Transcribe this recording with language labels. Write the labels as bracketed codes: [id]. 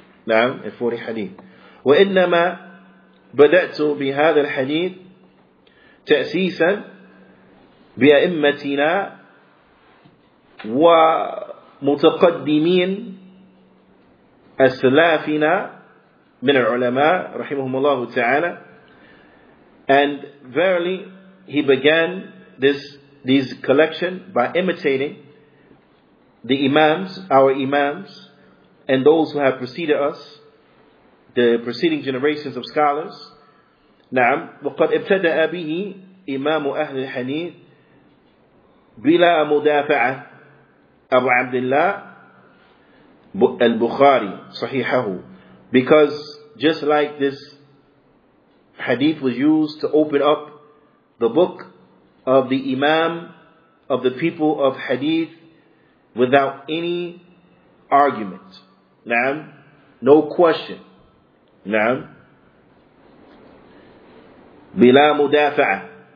[en] Now, in 40 hadith. [ar] وَإِنَّمَا بَدَأْتُ بِهَذَا الْحَدِيثِ تَأْسِيسًا بِأَئِمَّتِنَا وَمُتَقَدِّمِينَ أَسْلَافِنَا مِنَ الْعُلَمَاءِ رَحِمُهُمُ اللَّهُ تَعَالَى. [en] And verily, he began this collection by imitating the imams, our imams, and those who have preceded us, the preceding generations of scholars. [ar] نعم وقد ابتدأ به إمام أهل الحديث بلا مدافعة أبو عبد الله البخاري صحيحه. [en] Because just like this hadith was used to open up the book of the Imam of the people of hadith without any argument. [ar] نعم [en] no question. [ar] نعم بلا مدافعة.